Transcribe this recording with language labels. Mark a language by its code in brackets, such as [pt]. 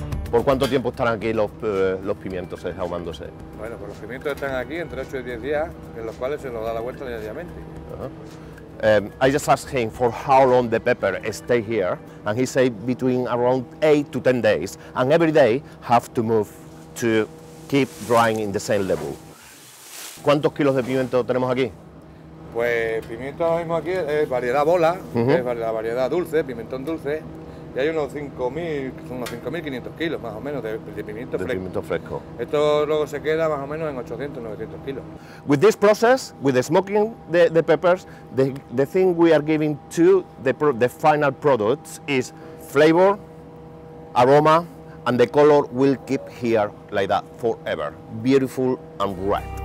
[es] ¿Por cuánto tiempo estarán aquí los pimientos ahumándose? Bueno, pues los pimientos están aquí entre 8 y 10 días, en los cuales se nos da la vuelta diariamente. Uh-huh. [en] I just asked him for how long the pepper stay here, and he said between around 8 to 10 days, and every day have to move to keep drying in the same level. [es] ¿Cuántos kilos de pimiento tenemos aquí? Pues pimiento ahora mismo aquí es variedad bola, uh-huh. Es la variedad dulce, pimentón dulce. Y hay unos 5.500 kilos, más o menos, de pimiento fresco. Esto luego se queda más o menos en 800, 900 kilos. [en] With this process, with the smoking the peppers, the thing we are giving to the final products is flavor, aroma, and the color will keep here like that forever. Beautiful and red.